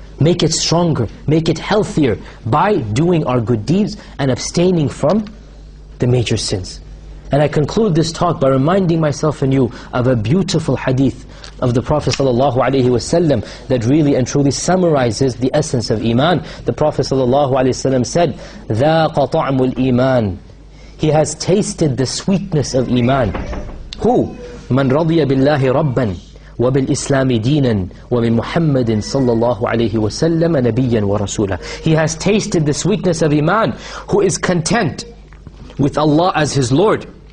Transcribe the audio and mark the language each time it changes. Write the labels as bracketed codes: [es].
[en] Make it stronger, make it healthier by doing our good deeds and abstaining from the major sins. And I conclude this talk by reminding myself and you of a beautiful hadith of the Prophet ﷺ that really and truly summarizes the essence of iman. The Prophet ﷺ said, [ar] ذَاقَ طَعْمُ الْإِيمَانِ. [en] He has tasted the sweetness of iman. Who? [ar] مَنْ رَضِيَ بِاللَّهِ رَبًّا وَبِالْإِسْلَامِ دِينًا وَبِمُحَمَّدٍ صَلَّى اللَّهُ عَلَيْهِ وَسَلَّمَ نَبِيًّا وَرَسُولًا. [en] He has tasted the sweetness of iman, who is content with Allah as his Lord.